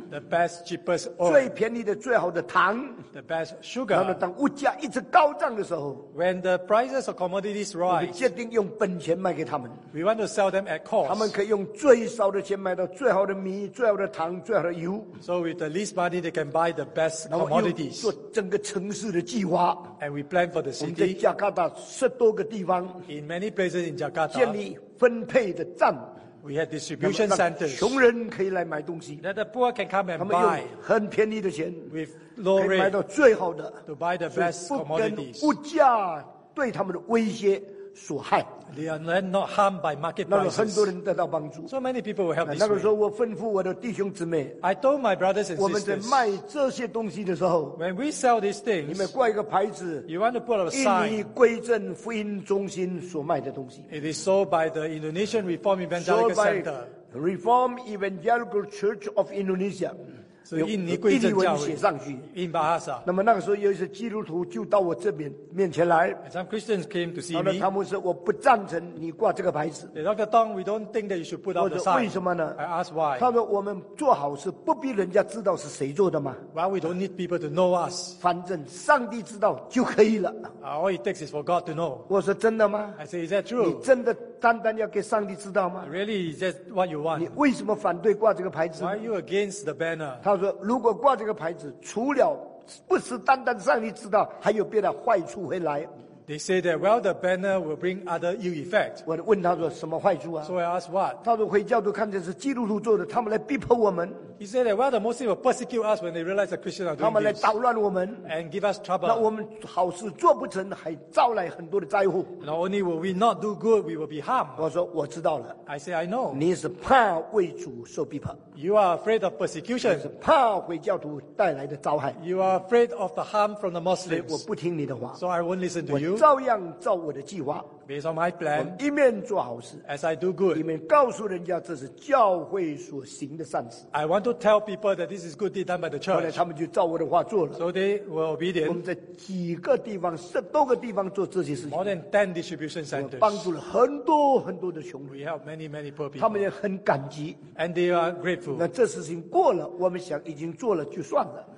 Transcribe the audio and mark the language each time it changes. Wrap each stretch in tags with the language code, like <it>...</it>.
<en>the best cheapest oil，</en> <zh>最便宜的最好的糖，</zh> <en>the best sugar。</en> <zh>那么当物价一直高涨的时候，</zh> <en>when the prices of commodities rise，</en> <zh>我们决定用本钱卖给他们。</zh> <en>We want to sell them at cost，</en> <zh>他们可以用最少的钱买到最好的米，最好的糖，最好的油。</zh> <en>So with the least money they can buy the best commodities。</en> <zh>做整个城市的计划，</zh> <en>and we plan for the city。</en> <zh>我们在加加达10多个地方，</zh> <en>in many places in Jakarta，</en> <zh>建立分配的站，</zh> <en>We had distribution centers.</en> <zh>穷人可以来买东西。</zh> <en>That the poor can come and buy.</en> <zh>他们用很便宜的钱</zh> <en>with low rate</en> <zh>可以买到最好的。</zh> <en>To buy the best commodities.</en> <zh>物价对他们的威胁所害。</zh> <en>They are not harmed by market prices.</en> <zh>那么很多人得到帮助。</zh> <en>So many people will help this.</en> <zh>那个时候我吩咐我的弟兄姊妹。</zh> <en>I told my brothers and sisters.</en> <zh>我们在卖这些东西的时候。</zh> <en>When we sell these things.</en> <zh>你们挂一个牌子。</zh> <en>You want to put a sign.</en> <zh>印尼归正福音中心所卖的东西。</zh> <en>It is sold by the Indonesian Reform Evangelical Center. Sold by Reform Evangelical Church of Indonesia.</en> <zh>所以印尼归正教会。印尼文写上去。</zh> <en>In Bahasa.</en> <zh>那么那个时候有一些基督徒就到我这边面前来。</zh> <en>Some Christians came to see me.</en> <zh>他们说我不赞成你挂这个牌子。</zh> <en>Dr. Tong, we don't think that you should put out the sign.</en> <zh>为什么呢？</zh> <en>I asked why.</en> <zh>他说我们做好事不必人家知道是谁做的吗？</zh> <en>Well, we don't need people to know us.</en> <zh>反正上帝知道就可以了。</zh> <en>All it takes is for God to know.</en> <zh>我说真的吗？</zh> <en>I say, is that true?</en> <zh>你真的单单要给上帝知道吗？</zh> <en>Really, is that what you want?</en> <zh>你为什么反对挂这个牌子？</zh> <en>Why are you against the banner?</en> <zh>他说如果挂这个牌子，除了不是单单上帝知道，还有别的坏处会来。</zh> <en>They say that well, the banner will bring other ill effects.</en> <zh>我问他说什么坏处啊？</zh> <en>So I asked what?</en> <zh>他说回教都看见是基督徒做的，他们来逼迫我们。</zh> <en>He said that well, the Muslims will persecute us when they realize the Christians are doing this.</en> <zh>他们来捣乱我们。</zh> <en>And give us trouble.</en> <zh>那我们好事做不成，还招来很多的灾祸。</zh> <en>Not only will we not do good, we will be harmed.</en> <zh>我说我知道了。</zh> <en>I say I know.</en> <zh>你是怕为主受逼迫。</zh> <en>You are afraid of persecution.</en> <zh>是怕回教徒带来的灾害。</zh> <en>You are afraid of the harm from the Muslims.</en> <zh>我不听你的话。</zh> <en>So I won't listen to you.</en> <zh>照样照我的计划</zh> <en>Based on my plan,</en> <zh>一面做好事</zh> <en>as I do good,</en> <zh>一面告诉人家这是教会所行的善事</zh> <en>I want to tell people that this is good deed done by the church</en> <zh>后来他们就照我的话做了</zh> <en>So they were obedient</en> <zh>我们在几个地方十多个地方做这些事情</zh> <en>More than 10 distribution centers</en> <zh>帮助了很多很多的穷人</zh> <en>We help many many poor people</en> <zh>他们也很感激</zh> <en>And they are grateful</en> <zh>那这事情过了我们想已经做了就算了</zh>